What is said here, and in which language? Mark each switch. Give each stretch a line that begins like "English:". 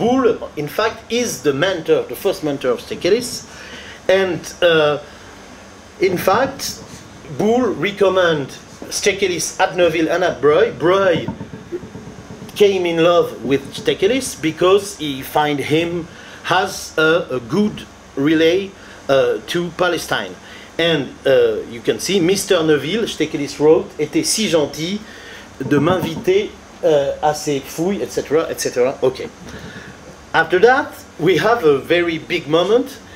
English: Boulle, in fact, is the mentor, the first mentor of Tchekelis, and in fact, Boulle recommends Tchekelis at Neuville and at Breuil. Breuil came in love with Tchekelis because he finds him has a good relay to Palestine. And you can see, Mr.
French: Neuville,
English: Tchekelis wrote,
French: était si gentil de m'inviter à ses fouilles, etc., etc.
English: Okay. After that, we have a very big moment.